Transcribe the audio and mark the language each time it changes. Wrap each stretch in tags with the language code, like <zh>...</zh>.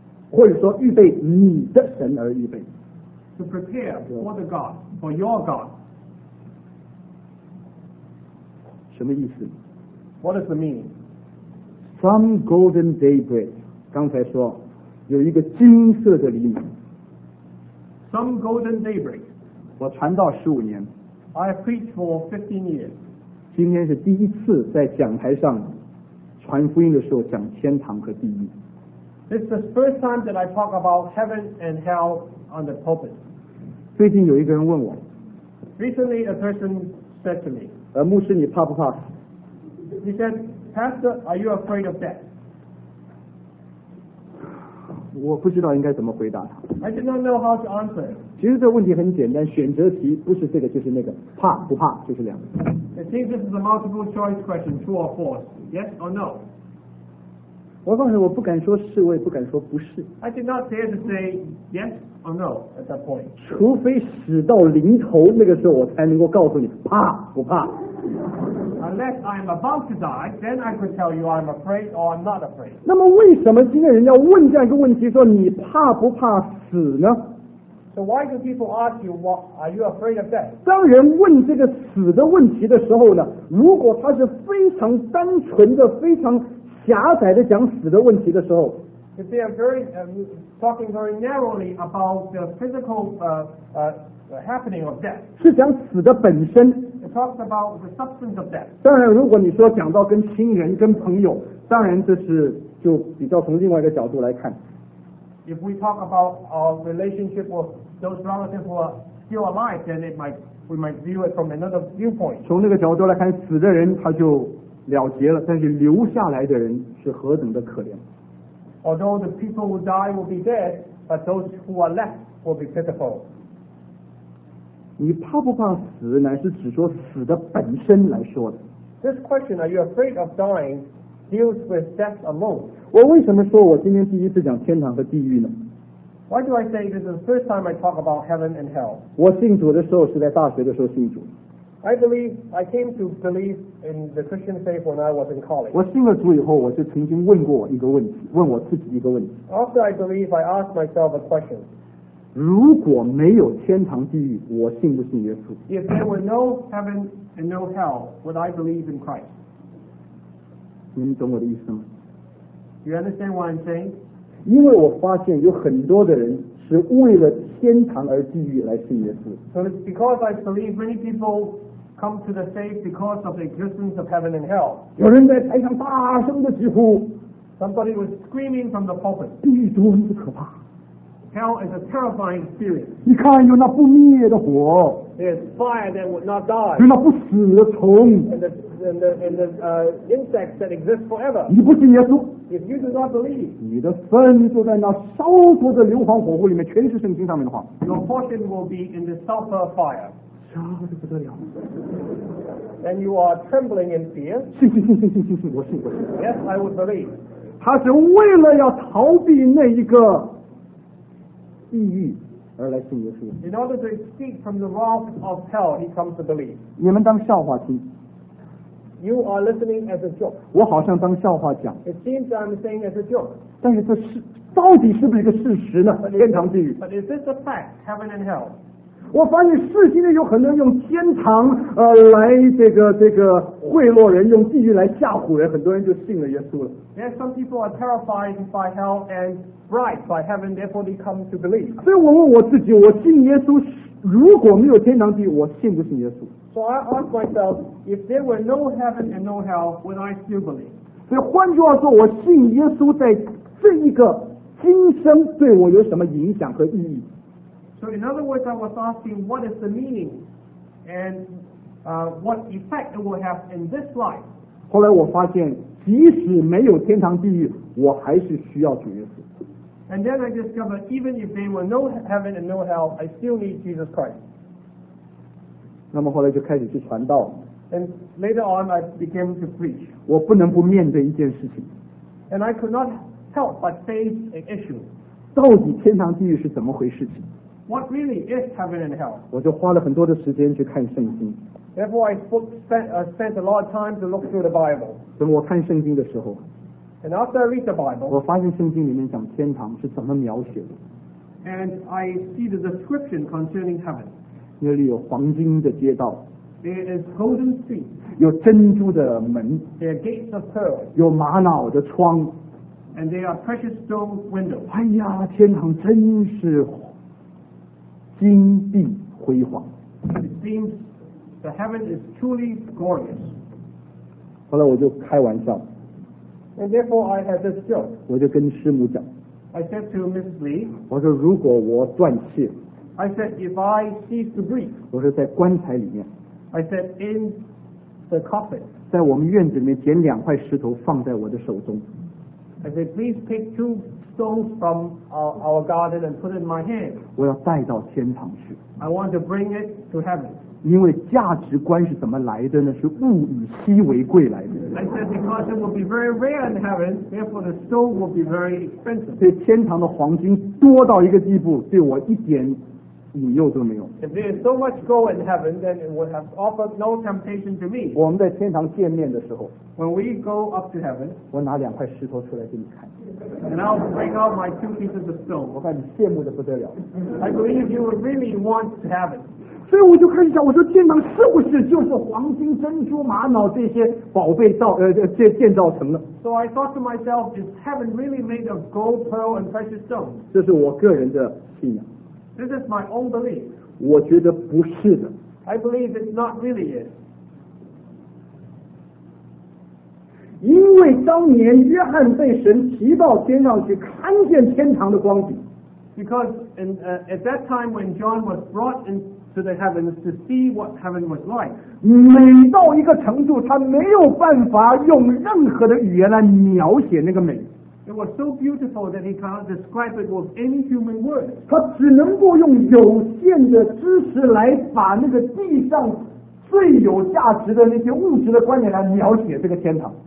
<zh>或者说预备你的神而预备。</zh> <en>To prepare for the God, for your God.</en> <zh>什么意思？</zh> <en>What does it mean? From golden daybreak,</en> <zh>刚才说有一个金色的黎明。</zh> <en>Some golden daybreak.</en> <zh>我传道十五年。</zh> <en>I preached for 15 years.</en> <zh>今天是第一次在讲台上传福音的时候讲天堂和地狱。</zh> <en>This is the first time that I talk about heaven and hell on the pulpit.</en> <zh>最近有一个人问我。</zh> <en>Recently a person said to me.</en> <zh>牧师你怕不怕？</zh> <en>He said, Pastor, are you afraid of death?</en> <zh>我不知道应该怎么回答他。</zh> <en>I did not know how to answer.</en> <zh>其实这问题很简单，选择题不是这个就是那个，怕不怕就是两个。</zh> <en>It seems this is a multiple choice question, true or false, yes or no.</en> <zh>我告诉你，我不敢说是，我也不敢说不是。</zh> <en>I did not dare to say yes or no at that point.</en> <zh>除非死到临头，那个时候我才能够告诉你怕不怕。</zh> <en>Unless I am about to die, then I could tell you I am afraid or I'm not afraid.</en> <zh>那么为什么今天人要问这样一个问题，说你怕不怕死呢？</zh> <en>So why do people ask you, what, are you afraid of death?</en> <zh>当人问这个死的问题的时候呢，如果他是非常单纯的、非常狭窄的讲死的问题的时候，</zh> <en>if they are very, talking very narrowly about the physical, happening of death,</en> <zh>是讲死的本身。</zh> <en>Talks about the substance of death.</en> <zh>当然，如果你说讲到跟亲人、跟朋友，当然这是就比较从另外一个角度来看。</zh> <en>If we talk about our relationship with those relatives who are still alive, then we might view it from another viewpoint.</en> <zh>从那个角度来看，死的人他就了结了，但是留下来的人是何等的可怜。</zh> <en>Although the people who die will be dead, but those who are left will be pitiful.</en> <zh>你怕不怕死乃是只说死的本身来说的。</zh> <en>This question, are you afraid of dying, deals with death alone.</en> <zh>我为什么说我今天第一次讲天堂和地狱呢？</zh> <en>Why do I say this is the first time I talk about heaven and hell?</en> <zh>我信主的时候是在大学的时候信主。</zh> <en>I came to believe in the Christian faith when I was in college.</en> <zh>我信了主以后，我就曾经问过一个问题，问我自己一个问题。</zh> <en>After I believe, I asked myself a question.</en> <zh>如果没有天堂地狱，我信不信耶稣？</zh> <en>If there were no heaven and no hell, would I believe in Christ?</en> <zh>你们懂我的意思吗？</zh> <en>You understand what I'm saying?</en> <zh>因为我发现有很多的人是为了天堂而地狱来信耶稣。</zh> <en>So it's because I believe many people come to the faith because of the existence of heaven and hell.</en> <zh>有人在台上大声的疾呼。</zh> <en>Somebody was screaming from the pulpit.</en> <zh>地狱多么可怕。</zh> <en>Hell is a terrifying experience.</en> <zh>你看有那不灭的火。</zh> <en>There's fire that would not die.</en> <zh>有那不死的虫。</zh> <en>And the insects that exist forever.</en> <zh>你不信耶稣。</zh> <en>If you do not believe.</en> <zh>你的份就在那烧灼的硫磺火湖里面，全是圣经上面的话。</zh> <en>Your portion will be in the sulfur fire.</en> <zh>烧得不得了。</zh> <en>And you are trembling in fear.</en> <zh>信，我信。</zh> <en>Yes, I would believe.</en> <zh>他是为了要逃避那一个地狱而来信耶稣。</zh> <en>In order to escape from the wrath of hell, he comes to believe.</en> <zh>你们当笑话听。</zh> <en>You are listening as a joke.</en> <zh>我好像当笑话讲。</zh> <en>It seems I'm saying as a joke.</en> <zh>但是这是到底是不是一个事实呢？天堂地狱。</zh> <en>But is this a fact, heaven and hell?</en> <zh>我发现世界上有很多人用天堂来这个贿赂人，用地狱来吓唬人，很多人就信了耶稣了。</zh> <en>Yes, some people are terrified by hell and. Right, by heaven, therefore they come to believe.</en> <zh>所以我问我自己，我信耶稣，如果没有天堂地狱，我信不信耶稣？</zh> <en>So I ask myself, if there were no heaven and no hell, would I still believe?</en> <zh>所以换句话说，我信耶稣在这一个今生对我有什么影响和意义？</zh> <en>So in other words, I was asking, what is the meaning and what effect it will have in this life?</en> <zh>后来我发现，即使没有天堂地狱，我还是需要主耶稣。</zh> <en>And then I discovered even if they were no heaven and no hell, I still need Jesus Christ.</en> <zh>那么后来就开始去传道。</zh> <en>And later on, I began to preach.</en> <zh>我不能不面对一件事情。</zh> <en>And I could not help but face an issue.</en> <zh>到底天堂地狱是怎么回事情？</zh> <en>What really is heaven and hell?</en> <zh>我就花了很多的时间去看圣经。</zh> <en>Therefore, I spent a lot of time to look through the Bible.</en> <zh>等我看圣经的时候。</zh> <en>And after I read the Bible,</en> <zh>我发现圣经里面讲天堂是怎么描写的。</zh> <en>And I see the description concerning heaven.</en> <zh>那里有黄金的街道</zh> <en>There is golden street</en> <zh>有珍珠的门</zh> <en>There are gates of pearl</en> <zh>有玛瑙的窗</zh> <en>And there are precious stone windows</en> <zh>哎呀天堂真是金碧辉煌</zh> <en>It seems the heaven is truly glorious</en> <zh>后来我就开玩笑</zh> <en>And therefore I had this joke</en> <zh>我就跟师母讲</zh> <en>I said to Mrs. Lee</en> <zh>我说如果我断气</zh> <en>I said, if I cease to breathe,</en> <zh>我说在棺材里面</zh> <en>I said, in the coffin,</en> <zh>在我们院子里面捡两块石头放在我的手中</zh> <en>I said, please take two stones from our garden and put it in my hand.</en> <zh>我要带到天堂去</zh> <en>I want to bring it to heaven.</en> <zh>因为价值观是怎么来的呢是物以稀为贵来的</zh> <en>I said, because it will be very rare in heaven, therefore the stone will be very expensive.</en> <zh>对天堂的黄金多到一个地步对我一点引诱都没有</zh> <en>If there is so much gold in heaven, then it would have offered no temptation to me.</en> <zh>我们在天堂见面的时候</zh> <en>When we go up to heaven,</en> <zh>我拿两块石头出来给你看</zh> <en>And I'll bring out my two pieces of stone.</en> <zh>我看你羡慕得不得了</zh> <en>I believe you would really want to have it.</en> <zh>所以我就看一下我说天堂是不是就是黄金珍珠玛瑙这些宝贝建造成的</zh> <en>So I thought to myself, is heaven really made of gold, pearl, and precious stone?</en> <zh>这是我个人的信仰</zh> <en>This is my own belief.</en> <zh>我觉得不是的。</zh> <en>I believe it not really is.</en> <zh>因为当年约翰被神提到天上去看见天堂的光景。</zh> <en>Because at that time when John was brought into the heavens to see what heaven was like,</en> <zh>美到一个程度他没有办法用任何的语言来描写那个美。</zh> <en>It was so beautiful that he cannot describe it with any human word.</en> <zh>他只能够用有限的知识来把那个地上最有价值的那些物质的观点来描写这个天堂。</zh>